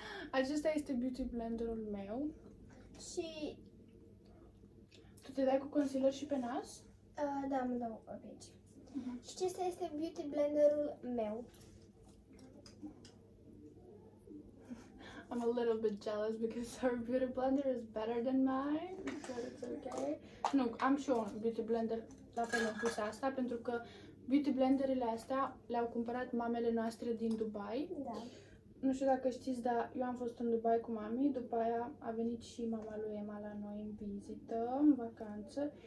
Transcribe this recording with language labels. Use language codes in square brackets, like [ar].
[ro] Acesta este beauty blenderul meu. Și... Tu te dai cu concealer și pe nas? Da, mă dau aici. Și acesta este beauty blenderul meu. [en] I'm a little bit jealous because her beauty blender is better than mine, but it's okay. [ro] Nu, am și eu un beauty blender la fel am pus asta, pentru că beauty blenderile astea le-au cumpărat mamele noastre din Dubai. Da. Nu știu dacă știți, dar eu am fost în Dubai cu mami, după aia a venit și mama lui Emma la noi în vizită, în vacanță.